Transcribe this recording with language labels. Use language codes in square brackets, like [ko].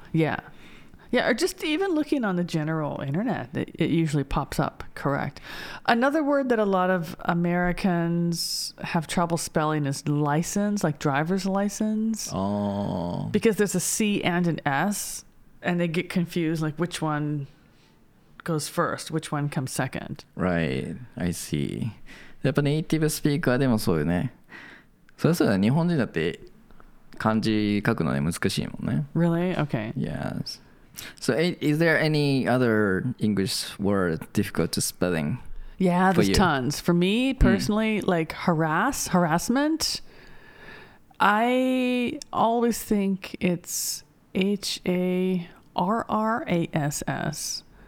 [en] Yeah. Yeah. Or just even looking on the general internet, it usually pops up correct. Another word that a lot of Americans have trouble spelling is license, like driver's license. Oh. Because there's a C and an S, and they get confused, like which one. Goes first, which one comes second? Right, I see. [ja] やっぱネイティブスピーカーでもそうよね。それはそうだ、日本人だって漢字書くのね難しいもんね。 [en] Really? Okay. Yes. So, is there any other English word difficult to spelling? Yeah, there's tons. For me personally,、mm. like harassment. I always think it's H-A-R-R-A-S-S.